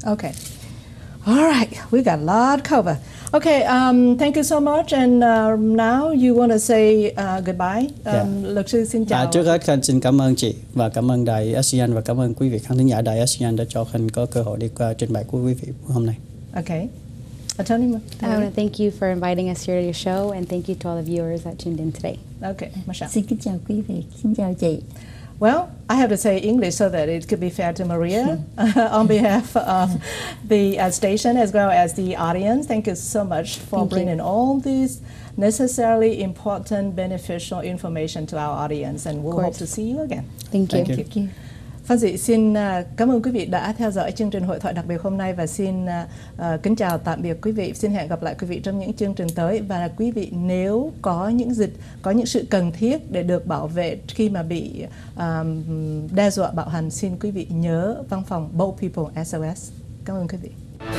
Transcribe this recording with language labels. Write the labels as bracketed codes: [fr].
[en] Okay. All right, we got a lot cover. Okay, thank you so much. And now you want to say goodbye. [vi] Luật sư xin chào. Trước hết, Khanh xin cảm ơn chị và cảm ơn Đài ASEAN và cảm ơn quý vị khán thính giả Đài ASEAN đã cho Khanh có cơ hội đi qua trình bày của quý vị hôm nay. [en] Okay. Attorney, I want to thank you for inviting us here to your show and thank you to all the viewers that tuned in today. Okay, Michelle. [vi] Xin kính chào quý vị. Xin chào chị. [en] Well, I have to say English so that it could be fair to Maria on behalf of the station as well as the audience. Thank you so much for bringing all these necessarily important beneficial information to our audience and we'll hope to see you again. Thank you. [vi] Phan Dị xin cảm ơn quý vị đã theo dõi chương trình hội thoại đặc biệt hôm nay và xin kính chào tạm biệt quý vị. Xin hẹn gặp lại quý vị trong những chương trình tới và quý vị nếu có những dịch, có những sự cần thiết để được bảo vệ khi mà bị đe dọa bạo hành, xin quý vị nhớ văn phòng Bold People SOS. Cảm ơn quý vị.